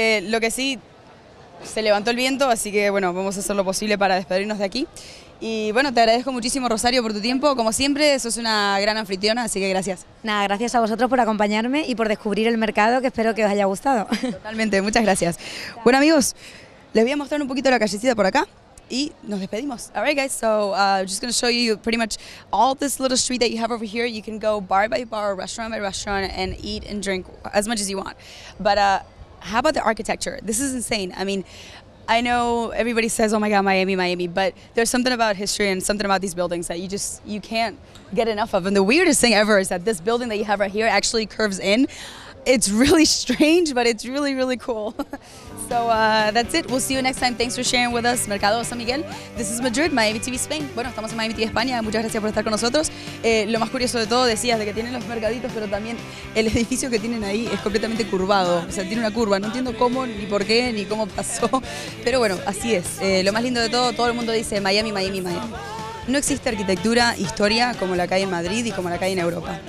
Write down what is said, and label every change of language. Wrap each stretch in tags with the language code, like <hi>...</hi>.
<es>lo que sí, se levantó el viento, así que bueno, vamos a hacer lo posible para despedirnos de aquí. Y bueno, te agradezco muchísimo, Rosario, por tu tiempo. Como siempre, sos una gran anfitriona, así que gracias. Nada, gracias a vosotros por acompañarme y por descubrir el mercado, que espero que os haya gustado. Totalmente, muchas gracias. Bueno, amigos, les voy a mostrar un poquito la callecita por acá y nos despedimos.</es> <en>All right, guys, so I'm just going to show you pretty much all this little street that you have over here. You can go bar by bar, restaurant by restaurant, and eat and drink as much as you want. But how about the architecture? This is insane. I mean... I know everybody says, oh my God, Miami, Miami, but there's something about history and something about these buildings that you can't get enough of. And the weirdest thing ever is that this building that you have right here actually curves in. it's really strange, but it's really, really cool. So that's it. We'll see you next time. Thanks for sharing with us, Mercado San Miguel. This is Madrid, Miami TV Spain.</en> <es>Bueno, estamos en Miami TV España. Muchas gracias por estar con nosotros. Lo más curioso de todo, decías, de que tienen los mercaditos, pero también el edificio que tienen ahí es completamente curvado. O sea, tiene una curva. No entiendo cómo, ni por qué, ni cómo pasó. Pero bueno, así es. Lo más lindo de todo, todo el mundo dice Miami, Miami, Miami. No existe arquitectura, historia como la que hay en Madrid y como la que hay en Europa.</es>